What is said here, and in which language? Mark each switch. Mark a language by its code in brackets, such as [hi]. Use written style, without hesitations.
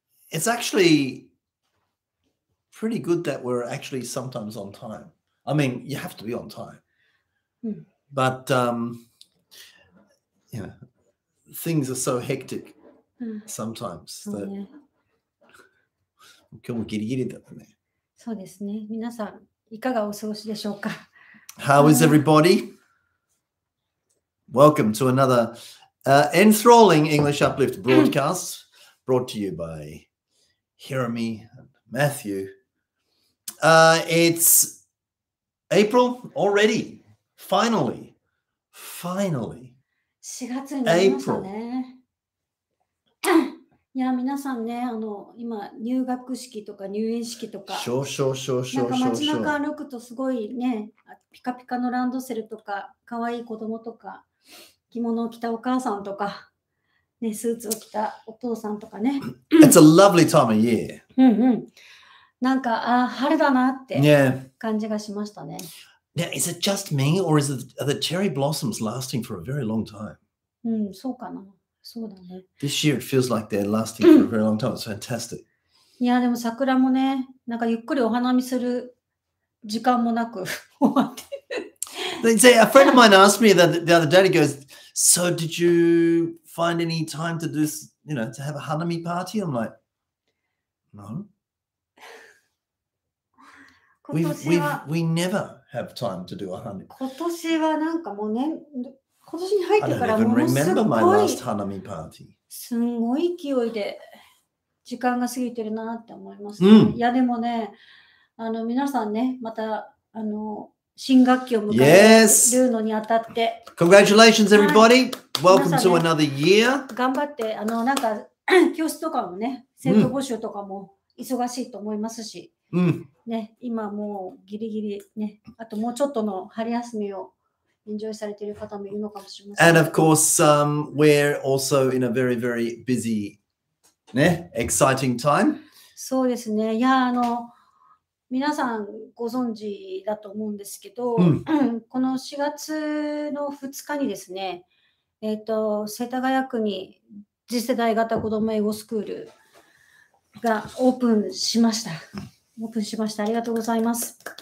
[en] It's actually pretty good that we're actually sometimes on time. I mean, you have to be on time. But, you know, things are so hectic sometimes that... [ja] 今日もギリギリだったね。そうですね。皆さん、いかがお過ごしでしょうか。 [en] How is everybody? Welcome to another enthralling English Uplift broadcast brought to you by Hiromi and Matthew. It's April already. Finally. Finally. [ja] 4月になりましたね。いや皆さんね、今入学式とか入園式とか、少々少々少々、なんか街中歩くとすごいね、ピカピカのランドセルとか、可愛い子供とか、着物を着たお母さんとか、ね、スーツを着たお父さんとかね。 [en] It's a lovely time of year. [ja] うんうん。なんか、あ、春だなって感じがしましたね。 [en] Yeah. Now, is it just me, or is it, are the cherry blossoms lasting for a very long time? [ja] うん、そうかな。そうだね、 [en] This year it feels like they're lasting for a very long time. It's fantastic. [ja] いやでも桜もね、なんかゆっくりお花見する時間もなく終わって。 [en] A friend of mine asked me that the other day. He goes, "So did you find any time to do, you know, to have a hanami party?" I'm like, "No." We never have time to do a hanami. [ja] 今年はなんかもうね。今年に入ってからものすごい、 [en] I don't even remember my last hanami party. [ja] すごい勢いで時間が過ぎてるなって思いますね。 Mm. いやでもね、皆さんね、また新学期を迎えるのにあたって、 [en] yes. Congratulations everybody!、はい、Welcome、ね、to another year! [ja] 頑張って、なんか教室とかもね、生徒募集とかも忙しいと思いますし、 mm. ね、今もうギリギリね、あともうちょっとの春休みをEnjoy されている方もいるのかもしれません。 [en] And of course, we're also in a very, very busy, ね, exciting time. [ja] そうですね。いや、皆さんご存知だと思うんですけど、 mm. この4月の2日にですね、世田谷区に次世代型子ども英語スクールがオープンしました。オープンしました。ありがとうございます。